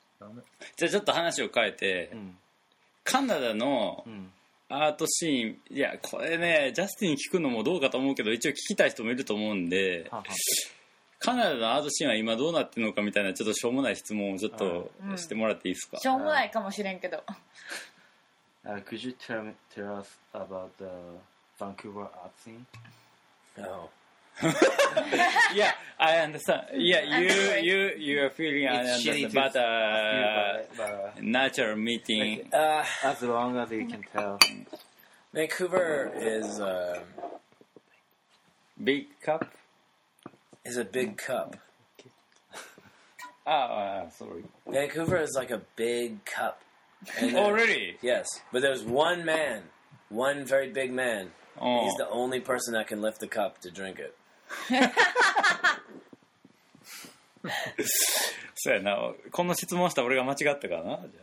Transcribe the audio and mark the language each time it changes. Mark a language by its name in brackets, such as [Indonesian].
[Japanese] Vomit. じゃあちょっと話を変えて、カナダのアートシーン、いや、これね、ジャスティンに聞くのもどうかと思うけど、一応聞きたい人もいると思うんで、カナダのアートシーンは今どうなってるのかみたいなちょっとしょうもない質問をちょっとしてもらっていいですか？しょうもないかもしれんけど。 [English] Could you tell us about the Vancouver art scene? No. Yeah, I understand. Yeah, you are feeling it's shitty to but a natural meeting. As long as you can tell. Vancouver is a big cup. Is a big cup. Sorry. Vancouver is like a big cup. Oh, really? Yes. But there's one man, one very big man. Oh. He's the only person that can lift the cup to drink it. [Japanese] そうやな。この質問した俺が間違ったかな。